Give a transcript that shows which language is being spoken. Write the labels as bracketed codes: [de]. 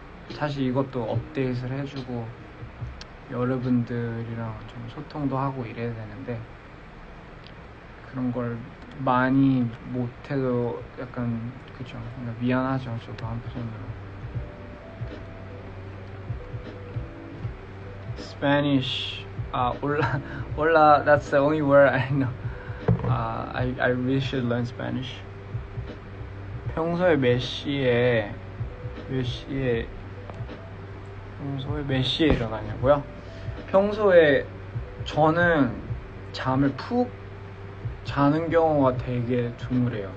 [ko] 사실 이것도 업데이트를 해주고 여러분들이랑 좀 소통도 하고 이래야 되는데 그런 걸 많이 못해도 약간 그쵸? 그러니까 미안하죠, 저도 한편으로. [en] Spanish, hola, that's the only word I know. I really should learn Spanish. [ko] 평소에 몇 시에 몇 시에 평소에 몇 시에 일어나냐고요? 평소에 저는 잠을 푹 자는 경우가 되게 드물어요.